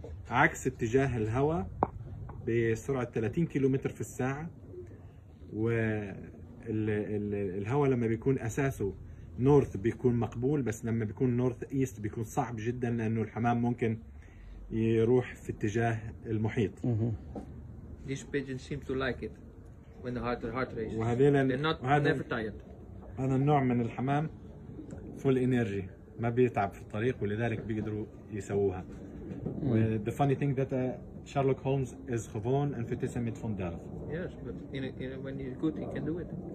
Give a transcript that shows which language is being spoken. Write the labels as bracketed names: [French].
[Arabic] عكس اتجاه الهواء بسرعه 30 كيلومتر في الساعه. والهواء لما بيكون اساسه نورث بيكون مقبول، بس لما بيكون نورث ايست بيكون صعب جدا، لانه الحمام ممكن يروح في اتجاه المحيط. [English] This pigeon seem to like it when the heart races. [Arabic] وهذيل [English] never tired. [Arabic] هذا النوع من الحمام [English] full energy، [Arabic] ما بيتعب في الطريق ولذلك بيقدروا يسووها. [English] The funny thing that Sherlock Holmes is Gewoon and Vitesse van Delft. Yes, but when he's good he can do it.